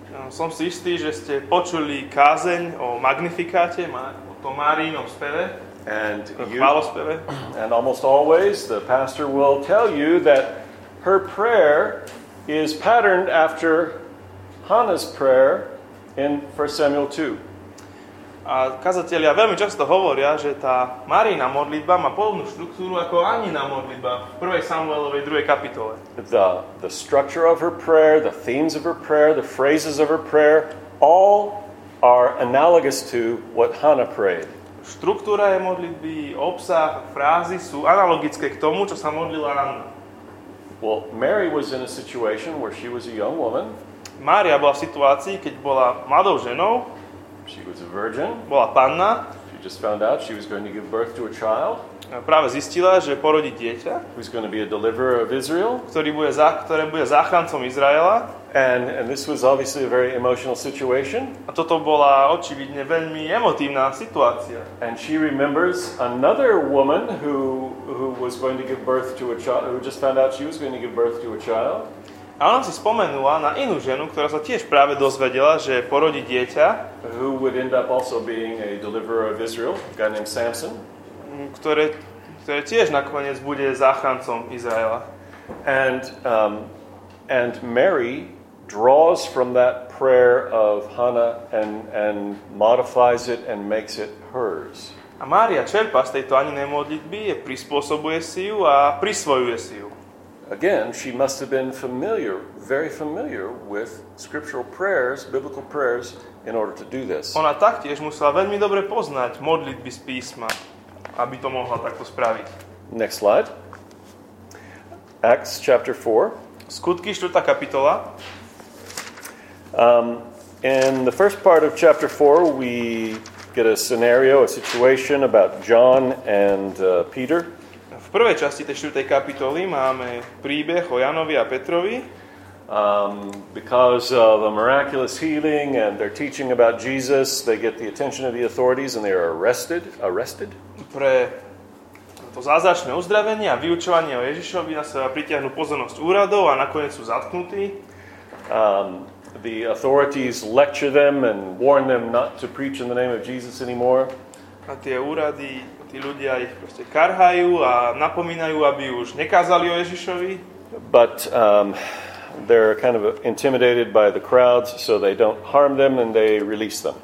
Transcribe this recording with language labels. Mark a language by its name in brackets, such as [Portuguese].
[Slovak] Som si istý, že ste počuli kázeň o Magnifikáte, o tom Máriinom speve. [English] And [Slovak] o chválospeve. [English] And almost always the pastor will tell you that her prayer is patterned after Hannah's prayer in 1 Samuel 2. [Slovak] A kazatelia veľmi často hovoria, že tá Máriina modlitba má podobnú štruktúru ako Annina modlitba v 1. Samuelovej 2. kapitole. [English] The structure of her prayer, the themes of her prayer, the phrases of her prayer, all are analogous to what Hannah prayed. [Slovak] Štruktúra jej modlitby, obsah, frázy sú analogické k tomu, čo sa modlila Anna. [English] Well, Mary was in a situation where she was a young woman. [Slovak] Mária bola v situácii, keď bola mladou ženou. [English] She was a virgin. [Slovak] Bola panna. [English] She just found out she was going to give birth to a child. [Slovak] práve zistila, že porodí dieťa, [English] who's going to be a deliverer of Israel, [Slovak] ktoré bude záchrancom Izraela. [English] And this was obviously a very emotional situation. [Slovak] A toto bola očividne veľmi emotívna situácia. [English] And she remembers another woman who was going to give birth to a child, who just found out she was going to give birth to a child. [Slovak] A ona si spomenula na inú ženu, ktorá sa tiež práve dozvedela, že porodí dieťa, [English] who would end up also being a deliverer of Israel, a guy named Samson, [Slovak] ktoré tiež nakoniec bude záchrancom Izraela. [English] And Mary draws from that prayer of Hannah and modifies it and makes it hers. [Slovak] A Mária čerpá z tejto Anninej modlitby, prispôsobuje si ju a prisvojuje si ju. [English] Again, she must have been familiar, very familiar with scriptural prayers, biblical prayers in order to do this. [Slovak] Ona taktiež musela veľmi dobre poznať modlitby z písma, aby to mohla takto spraviť. [English] Next slide. Acts chapter 4. [Slovak] Skutky 4. kapitola. [English] In the first part of chapter 4, we get a scenario, a situation about John and Peter. [Slovak] V prvej časti tej 4. kapitoly máme príbeh o Janovi a Petrovi. [English] Because of a miraculous healing and their teaching about Jesus, they get the attention of the authorities and they are arrested. [Slovak] Pre to zázračné uzdravenie a vyučovanie o Ježišovi na seba pritiahnu pozornosť úradov a nakoniec sú zatknutí. [English] The authorities lecture them and warn them not to preach in the name of Jesus anymore. [Slovak] A tie úrady, tí ľudia ich proste karhajú a napomínajú, aby už nekázali o Ježišovi. [English] But they're kind of intimidated by the crowds, so they don't harm them and they release them.